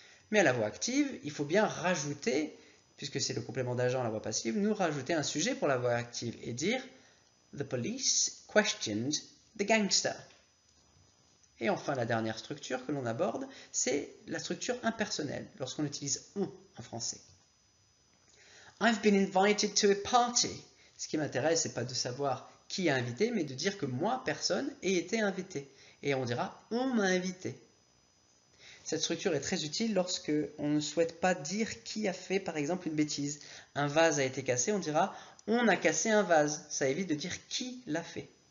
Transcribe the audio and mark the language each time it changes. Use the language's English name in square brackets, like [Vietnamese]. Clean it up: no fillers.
[French] Mais à la voix active, il faut bien rajouter, puisque c'est le complément d'agent à la voix passive, nous rajouter un sujet pour la voix active et dire « [English] the police questioned the gangster ». [French] Et enfin, la dernière structure que l'on aborde, c'est la structure impersonnelle, lorsqu'on utilise « on » en français. [English] I've been invited to a party. [French] Ce qui m'intéresse, ce n'est pas de savoir qui a invité, mais de dire que moi, personne, ai été invité. Et on dira « on m'a invité ». Cette structure est très utile lorsque on ne souhaite pas dire qui a fait, par exemple, une bêtise. Un vase a été cassé, on dira « on a cassé un vase ». Ça évite de dire qui l'a fait.